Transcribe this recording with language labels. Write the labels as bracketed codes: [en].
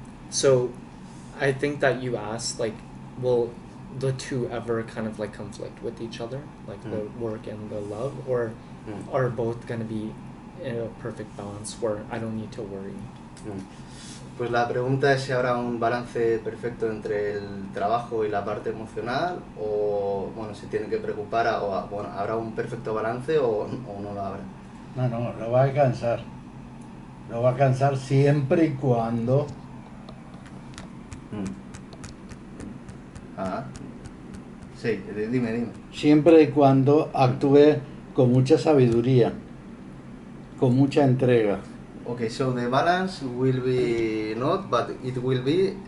[en] So I think that you asked, like, will the two ever kind of like conflict with each other, like the work and the love, or are both gonna be in a perfect balance where I don't need to worry? [es] Pues la pregunta es si habrá un balance perfecto entre el trabajo y la parte emocional o, bueno, se tiene que preocupar o, bueno, habrá un perfecto balance o no lo habrá. No, no, lo va a alcanzar. Lo va a alcanzar siempre y cuando... Ah, sí, dime. Siempre y cuando actúe con mucha sabiduría, con mucha entrega. [en] Okay, so the balance will be not, but it will be